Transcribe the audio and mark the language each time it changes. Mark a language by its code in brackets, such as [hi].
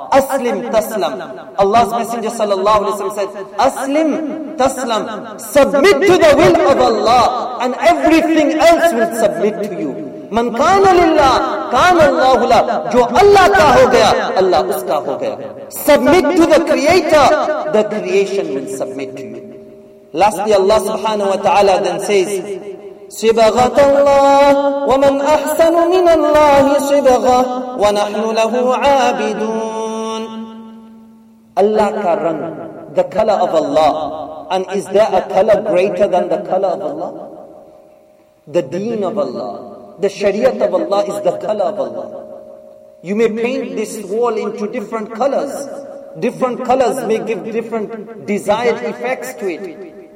[ar] Aslim, taslam. [en] Allah's Messenger sallallahu alayhi wa sallam said, [ar] aslim, taslam. [en] Submit to the will of Allah, and everything else will submit to you. [ar] Man kana lillah, kana Allahu la. [ur] Jo Allah ka ho gaya, Allah uska ho gaya. [en] Submit to the Creator, the creation will submit to you. Lastly, Allah subhanahu wa ta'ala then says, [ar] صِبَغَةَ اللَّهِ وَمَنْ أَحْسَنُ مِنَ اللَّهِ صِبَغَةَ وَنَحْنُ لَهُ عَابِدُونَ. [ur] Allah ka rang, [en] the color of Allah. And is there a color greater than the color of Allah? The deen of Allah, the shariat of Allah is the color of Allah. You may paint this wall into different colors. Different colors may give different desired effects to it.